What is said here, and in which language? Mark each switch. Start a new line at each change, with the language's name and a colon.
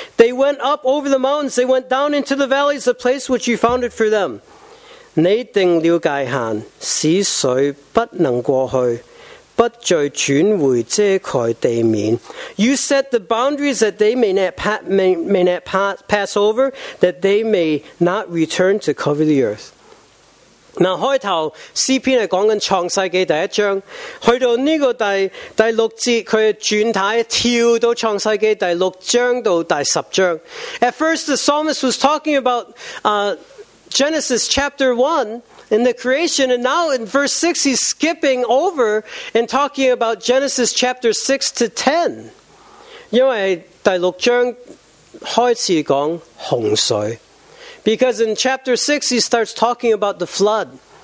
English: They went up over the mountains, they went down into the valleys, the place which you founded for them.
Chinese: 你定了界限,使水不能过去, 不再转回遮盖地面.
English: You set the boundaries that they may not pass over, that they may not return to cover the earth.
Chinese: 那开头诗篇是讲创世纪第一章，去到这个第六节，他转态跳到创世纪第六章到第十章.
English: At first, the psalmist was talking about Genesis chapter 1, in the creation, and now in verse 6, he's skipping over and talking about Genesis chapter 6 to 10.
Chinese: 因为第六章开始讲洪水.
English: Because in chapter 6, he starts talking about the flood.